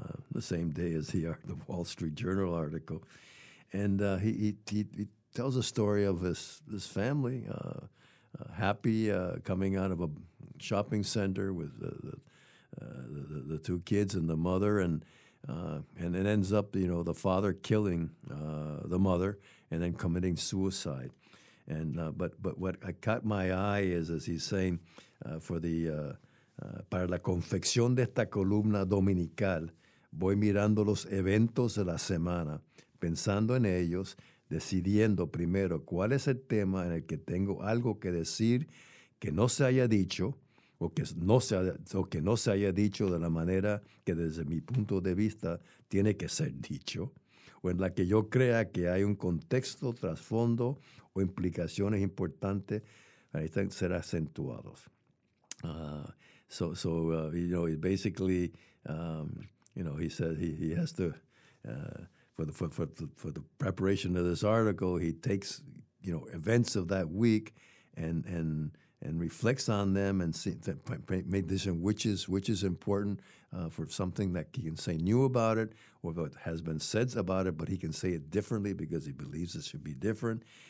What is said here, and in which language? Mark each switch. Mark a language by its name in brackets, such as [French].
[English] The same day as the Wall Street Journal article, and he tells a story of his family, happy coming out of a shopping center with the two kids and the mother, and it ends up the father killing the mother and then committing suicide, but what caught my eye is as he's saying for the [Spanish] para la confección de esta columna dominical. Voy mirando los eventos de la semana, pensando en ellos, decidiendo primero cuál es el tema en el que tengo algo que decir que no se haya dicho o que no se haya dicho de la manera que desde mi punto de vista tiene que ser dicho, o en la que yo crea que hay un contexto, trasfondo o implicaciones importantes para ser acentuados. [English] He said he has to for the preparation of this article. He takes events of that week and reflects on them and which is important for something that he can say new about it or what has been said about it, but he can say it differently because he believes it should be different.